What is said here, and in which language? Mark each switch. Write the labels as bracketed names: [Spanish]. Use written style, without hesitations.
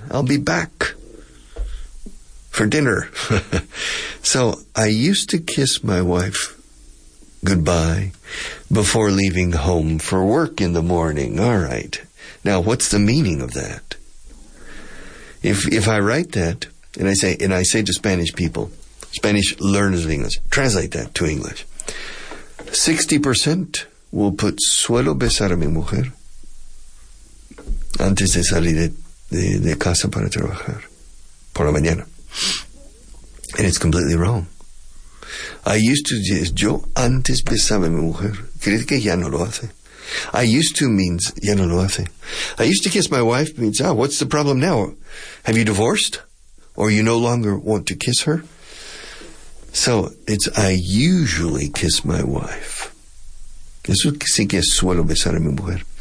[English] I'll be back for dinner. So I used to kiss my wife goodbye before leaving home for work in the morning. All right. Now, what's the meaning of that? If I write that and I say to Spanish people, Spanish learners of English, translate that to English. 60% will put [Spanish] suelo besar a mi mujer antes de salir de casa para trabajar por la mañana. [English] And it's completely wrong. I used to just, [Spanish] yo antes besaba a mi mujer. ¿Crees que ya no lo hace? [English] I used to means, [Spanish] ya no lo hace. [English] I used to kiss my wife means, what's the problem now? Have you divorced? Or you no longer want to kiss her? So it's, I usually kiss my wife. [Spanish] Eso sí que suelo besar a mi mujer.